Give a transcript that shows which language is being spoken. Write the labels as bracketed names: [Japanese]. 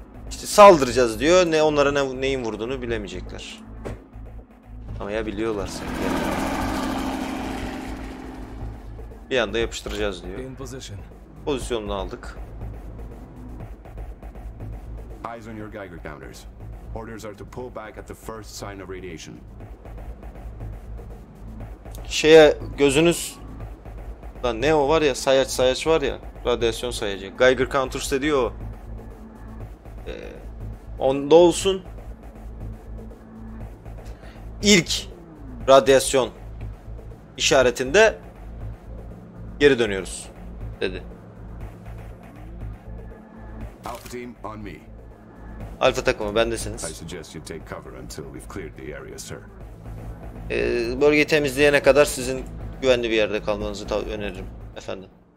[Turkish] İşte saldıracağız diyor. Ne onlara ne neyin vurduğunu bilemeyecekler. Ama ya biliyorlarsa. Bir anda yapıştıracağız diyor. Pozisyonunu aldık. [English] Eyes on your Geiger counters. Orders are to pull back at the first sign of radiation. [Turkish] Şeye gözünüz. Lan ne o var ya, sayaç sayaç var ya. Radyasyon sayacı. Geiger counters diyor. Onda olsun. İlk radyasyon işaretinde geri dönüyoruz dedi. [English] Alpha team on me. [Turkish] Alfa takımı bendesiniz. [English] I suggest you take cover until we've cleared the area, sir. [Turkish] Bölgeyi temizleyene kadar sizin güvenli bir yerde kalmanızı öneririm efendim.